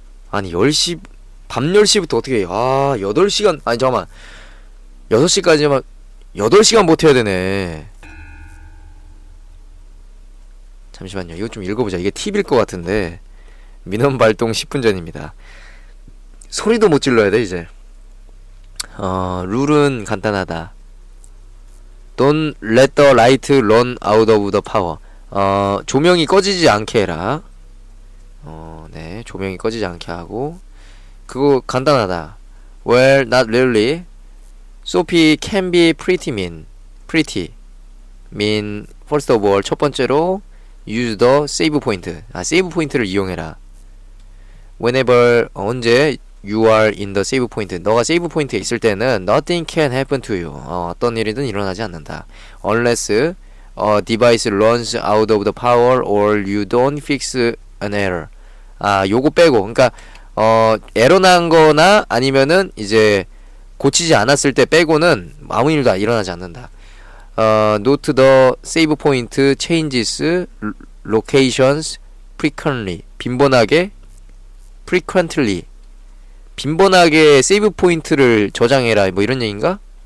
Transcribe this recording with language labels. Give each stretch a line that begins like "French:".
Korean: 아니 10시 밤 10시부터 어떻게 아 8시간 아니 잠깐만 6시까지만 8시간 버텨야 되네. 잠시만요 이거 좀 읽어보자. 이게 팁일 것 같은데. 민원 발동 10분 전입니다. 소리도 못 질러야 돼 이제. 룰은 간단하다.
English: Don't let the light run out of the power.
Korean: 조명이 꺼지지 않게 해라. 네, 조명이 꺼지지 않게 하고. 그거 간단하다.
English: Well, not really. Sophie can be pretty mean. Pretty mean. First of all,
Korean: 첫 번째로
English: use the save point.
Korean: 아, save point를 이용해라.
English: Whenever 언제 you are in the save point.
Korean: 너가 save point에 있을 때는
English: nothing can happen to you.
Korean: 어떤 일이든 일어나지 않는다.
English: Unless a device runs out of the power or you don't fix an error.
Korean: 아, 요거 빼고. 그러니까 에러 난 거나 아니면은 이제 고치지 않았을 때 빼고는 아무 일도 일어나지 않는다.
English: Note the save point changes locations frequently.
Korean: 빈번하게 frequently 빈번하게 세이브 포인트를 저장해라 뭐 이런 얘기인가?